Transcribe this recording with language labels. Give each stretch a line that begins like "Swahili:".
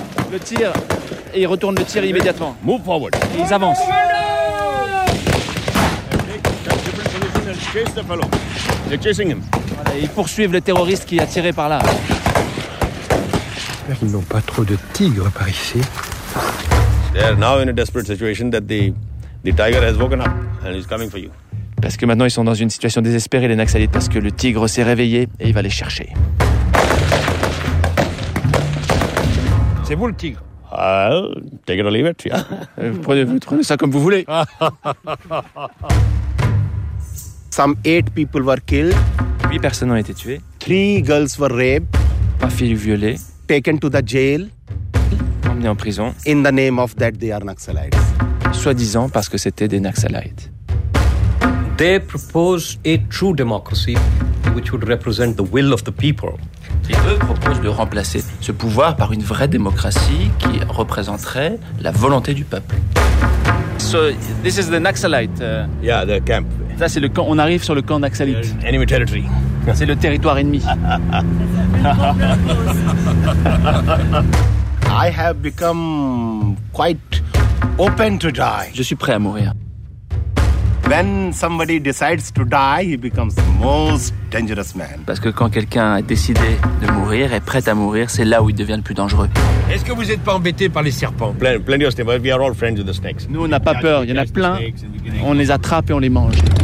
French: Le tir, et ils retournent le tir immédiatement.
English: Move forward.
French: Ils avancent.
English: They're chasing him.
French: Voilà, ils poursuivent le terroriste qui a tiré par là. Ils n'ont pas trop de tigres par ici.
English: They are now in a desperate situation that the tiger has woken up and is coming for you.
French: Parce que maintenant ils sont dans une situation désespérée, les Naxalites, parce que le tigre s'est réveillé et il va les chercher. C'est vous le tigre?
English: Take it or leave it, yeah.
French: Vous trouvez ça comme vous voulez.
English: Some 8 people were killed.
French: 8 personnes ont été tuées.
English: 3 girls were raped.
French: 3 filles violées.
English: Taken to the jail.
French: Emmenées en prison.
English: In the name of that they are Naxalites.
French: Soi-disant parce que c'était des Naxalites.
English: They propose a true democracy which would represent the will of the people.
French: Et eux proposent de remplacer ce pouvoir par une vraie démocratie qui représenterait la volonté du peuple.
English: So this is the Naxalite. Yeah, the camp.
French: Ça, c'est le camp. On arrive sur le camp Naxalite.
English: Enemy territory.
French: C'est le territoire ennemi.
English: I have become quite open to die.
French: Je suis prêt à mourir.
English: When somebody decides to die, he becomes the most dangerous man.
French: Parce que quand quelqu'un a décidé de mourir, est prêt à mourir, c'est là où il devient le plus dangereux. Est-ce que vous n'êtes pas embêté par les serpents?
English: Plenty of snakes. We are all friends of the snakes.
French: Nous, on n'a pas peur. Il y en a plein. On les attrape et on les mange.